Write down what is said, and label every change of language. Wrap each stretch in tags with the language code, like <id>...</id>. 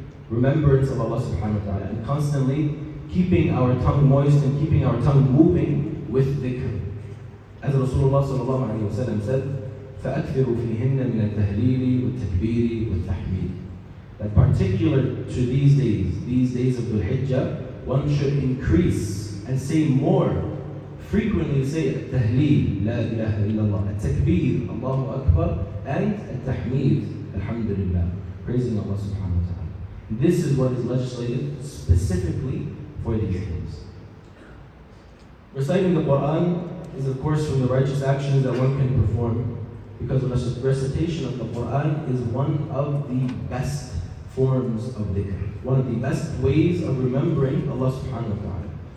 <en>remembrance of Allah subhanahu wa ta'ala, and constantly keeping our tongue moist and keeping our tongue moving with dhikr. As Rasulullah sallallahu alayhi wa sallam said,</en> <ar>فَأَكْثِرُوا فِيهِنَّ مِنَ التَّهْلِيلِ وَالتَّكْبِيرِ وَالتَّحْمِيدِ.</ar> <en>That particular to these days of Dhul-Hijjah, one should increase and say more. Frequently say</en> <ar>التَّهْلِيل لَا إِلَهَ إِلَّا اللَّهِ التَّكْبِيرِ اللَّهُ أَكْبَرُ</ar> <en>and</en> <ar>التَّحْمِيدِ الْحَمْدُ لِلَّهِ,</ar> <en>praising Allah subhanahu wa ta'ala. This is what is legislated specifically for these things. Reciting the Qur'an is of course from the righteous actions that one can perform, because the recitation of the Qur'an is one of the best forms of dhikr, one of the best ways of remembering Allah subhanahu wa ta'ala.</en>